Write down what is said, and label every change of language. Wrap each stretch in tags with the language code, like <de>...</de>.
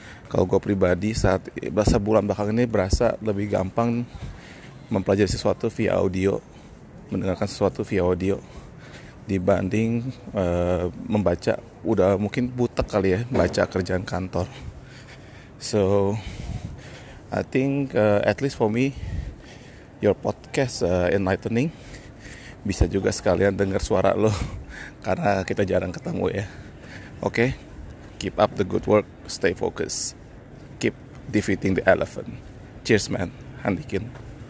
<id>Kalau gue pribadi saat sebulan belakang ini berasa lebih gampang mempelajari sesuatu via audio, mendengarkan sesuatu via audio dibanding membaca. Udah mungkin butek kali ya baca kerjaan kantor.</id> <en>So I think at least for me your podcast enlightening.</en> <id>Bisa juga sekalian dengar suara lo karena kita jarang ketemu ya.</id> <en>Oke, okay? Keep up the good work, stay focused, keep defeating the elephant. Cheers man, Handikin.</en>